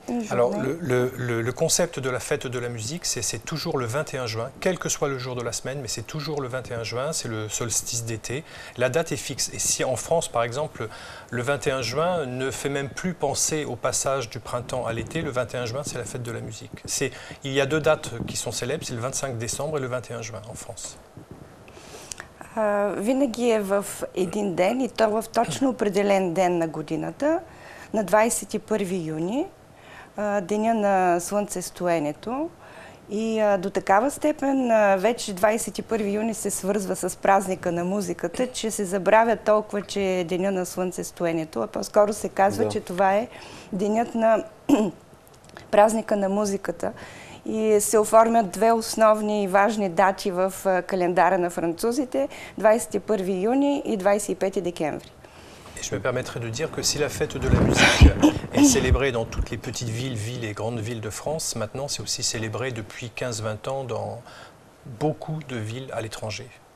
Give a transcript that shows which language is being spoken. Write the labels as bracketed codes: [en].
[fr] Alors le concept de la fête de la musique, c'est toujours le 21 juin, quel que soit le jour de la semaine, mais c'est toujours le 21 juin, c'est le solstice d'été. La date est fixe. Et si en France, par exemple, le 21 juin ne fait même plus penser au passage du printemps à l'été, le 21 juin, c'est la fête de la musique. Il y a deux dates qui sont célèbres, c'est le 25 décembre et le 21 juin en France. [bg] Винаги е в един ден и то в точно определен ден на годината, на 21 юни, деня на слънцестоенето. И до такава степен вече 21 юни се свързва с празника на музиката, че се забравя толкова, че е деня на слънцестоенето, а по-скоро се казва, да, че това е денят на празника на музиката. И се оформят две основни и важни дати в календара на французите – 21 юни и 25 декември. [fr] Et je me permettrai de dire que si la fête de la musique est célébrée dans toutes les petites villes et grandes villes de France, maintenant c'est aussi célébré depuis 15-20 ans dans beaucoup de villes à l'étranger.